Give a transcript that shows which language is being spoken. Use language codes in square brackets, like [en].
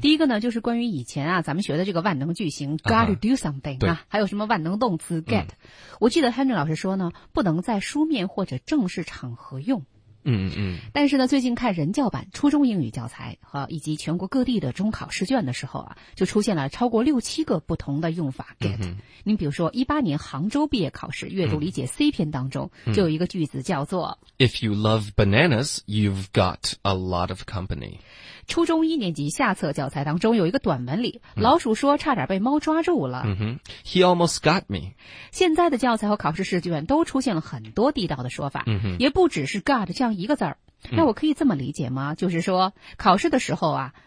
[zh] 第一个呢就是关于以前啊咱们学的这个万能句型 [en] got to do something [zh] 啊，还有什么万能动词 get、嗯、我记得 Henry 老师说呢不能在书面或者正式场合用。嗯嗯，但是呢，最近看人教版初中英语教材和以及全国各地的中考试卷的时候啊，就出现了超过六七个不同的用法 get。您、比如说2018年杭州毕业考试阅读理解 C 篇当中、嗯，就有一个句子叫做 [en] "If you love bananas, you've got a lot of company"。 [zh] 初中一年级下册教材当中有一个短文里，嗯、老鼠说差点被猫抓住了。 [en] 嗯哼 ，He almost got me。 [zh] 现在的教材和考试试卷都出现了很多地道的说法，嗯、哼也不只是 got 这样一个字儿。那我可以这么理解吗？嗯、就是说考试的时候啊，